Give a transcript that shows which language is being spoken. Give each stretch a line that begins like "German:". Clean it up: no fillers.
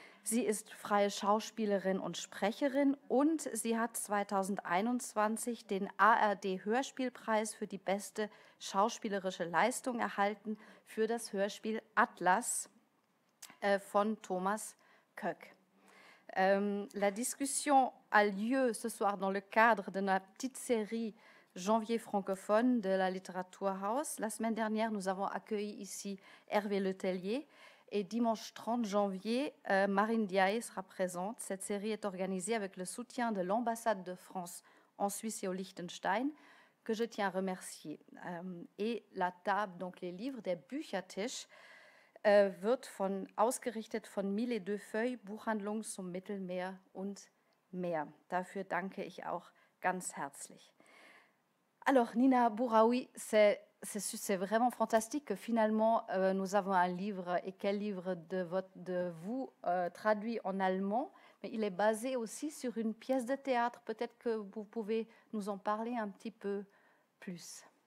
German: Sie ist freie Schauspielerin und Sprecherin und sie hat 2021 den ARD-Hörspielpreis für die beste schauspielerische Leistung erhalten für das Hörspiel Atlas von Thomas Köck.
French: La discussion a lieu ce soir dans le cadre de notre petite série Janvier francophone de la Literatur House. La semaine dernière, nous avons accueilli ici Hervé Le Tellier et dimanche 30 janvier, Marine Diaye sera présente. Cette série est organisée avec le soutien de l'ambassade de France en Suisse et au Liechtenstein, que je tiens à remercier. Et la table, donc les livres, des
German: Büchertisch, wird von ausgerichtet von Mille et deux Feuilles, Buchhandlung zum Mittelmeer und mehr. Dafür danke ich auch ganz herzlich.
French: Alors, Nina Bouraoui, c'est vraiment fantastique que finalement nous avons un livre, et quel livre de vous traduit en allemand, mais il est basé aussi sur une pièce de théâtre. Peut-être que vous pouvez nous en parler un petit peu plus.